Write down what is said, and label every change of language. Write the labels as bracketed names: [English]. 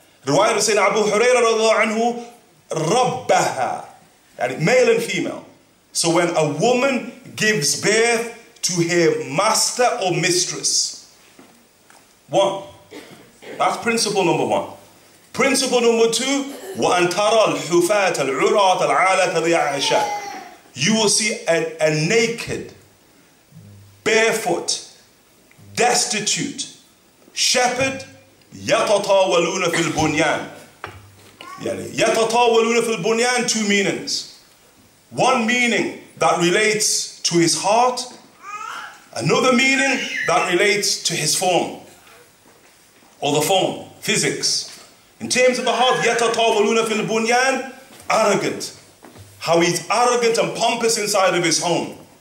[English] Riwayah of Sayyidina Abu Hurairah radiallahu anhu, rabbaha. Male and female. So when a woman gives birth to her master or mistress. One. That's principle number one. Principle number two, [Arabic] وَأَنْتَرَى الْحُفَاتَ الْعُرَاتَ الْعَالَةَ الْيَعَشَى. [English] You will see a naked, barefoot, destitute shepherd, [Arabic] يَتَطَاوَلُونَ فِي الْبُنْيَانِ. يَتَطَاوَلُونَ فِي الْبُنْيَانِ, [English] two meanings. One meaning that relates to his heart, another meaning that relates to his form, or the form, physics. In terms of the heart, [Arabic] يَتَطَاوَلُونَ فِي الْبُنْيَانِ, [English] arrogant. How he's arrogant and pompous inside of his home.